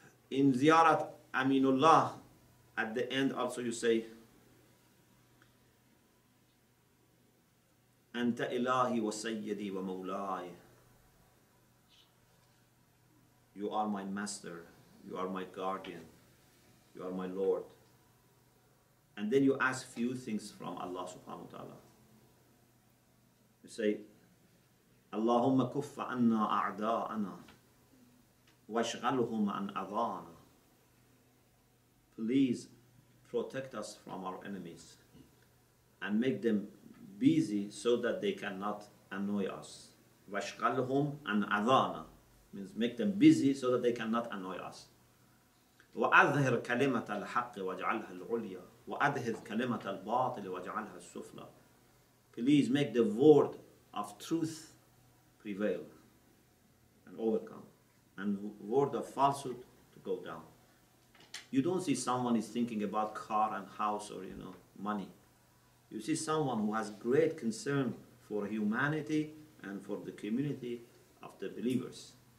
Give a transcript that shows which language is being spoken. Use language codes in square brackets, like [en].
[en] In Ziyarat Aminullah, at the end also you say, [ar] أنت إلهي وسيدي ومولاي. [en] You are my master, you are my guardian, you are my Lord. And then you ask few things from Allah subhanahu wa ta'ala. You say, [ar] اللهم كف عنا أعداءنا واشغلهم عن أضانا. [en] Please protect us from our enemies and make them busy so that they cannot annoy us. [ar] واشغلهم عن أضانا [en] means make them busy so that they cannot annoy us. [ar] وأظهر كلمة الحق واجعلها العليا وأظهر كلمة الباطل واجعلها السفلى. [en] Please make the word of truth prevail and overcome, and word of falsehood to go down. You don't see someone is thinking about car and house or, you know, money. You see someone who has great concern for humanity and for the community of the believers.